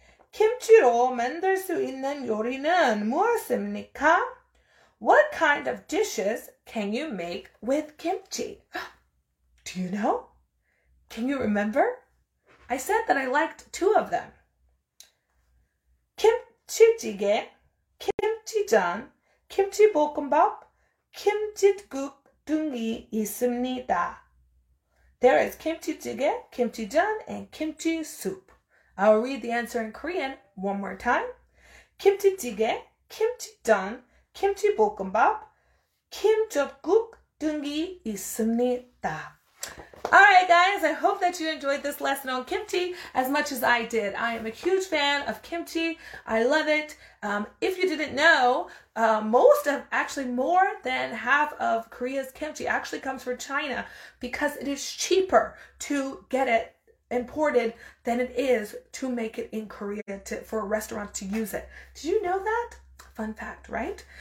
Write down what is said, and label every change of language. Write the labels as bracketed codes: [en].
[ko] 김치로 만들 수 있는 요리는 무엇입니까? [en] What kind of dishes can you make with kimchi? Do you know? Can you remember? I said that I liked two of them. [ko] 김치찌개, 김치전, 김치볶음밥, 김칫국 등이 있습니다. [en] There is 김치찌개, 김치전, and kimchi soup. I'll read the answer in Korean one more time. [ko] 김치찌개, 김치전, 김치볶음밥, 김칫국 등이 있습니다. [en] Alright guys, I hope that you enjoyed this lesson on kimchi as much as I did. I am a huge fan of kimchi. I love it. If you didn't know, most of, actually more than half of Korea's kimchi actually comes from China because it is cheaper to get it imported than it is to make it in Korea for a restaurant to use it. Did you know that? Fun fact, right?